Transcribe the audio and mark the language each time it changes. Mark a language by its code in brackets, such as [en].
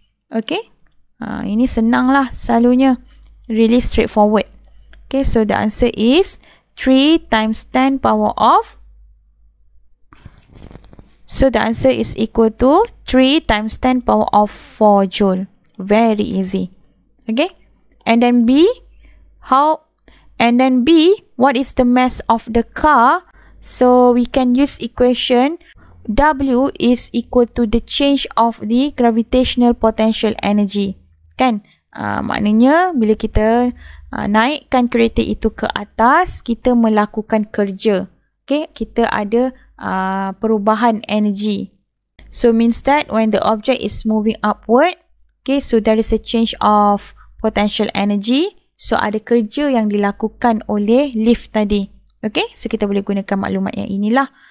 [ms] Okay, ini senang lah selalunya. [en] Really straightforward. Okay, so the answer is 3 times 10 power of. So, the answer is equal to 3 times 10 power of 4 joule. Very easy. Okay? And then B, how? And then B, what is the mass of the car? So, we can use equation W is equal to the change of the gravitational potential energy. [ms] Kan? Maknanya, bila kita naikkan kereta itu ke atas, kita melakukan kerja. Okay? Kita ada perubahan energy. [en] So means that when the object is moving upward, okay, so there is a change of potential energy. [ms] So ada kerja yang dilakukan oleh lift tadi. Okay, so kita boleh gunakan maklumat yang inilah.